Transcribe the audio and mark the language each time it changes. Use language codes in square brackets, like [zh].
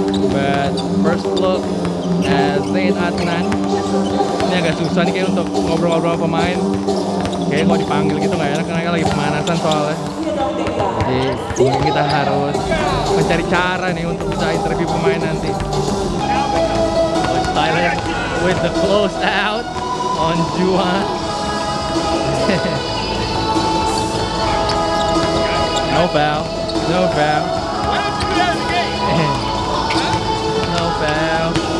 [en] But first look at Zane Adnan. [id] Ini agak susah nih kayak untuk ngobrol-ngobrol pemain. Kayaknya kalau dipanggil gitu nggak enak karena lagi pemanasan soalnya. Jadi mungkin kita harus mencari cara nih untuk bisa interview pemain nanti. [en] Tyler with the close out. On Juan. No foul. No foul.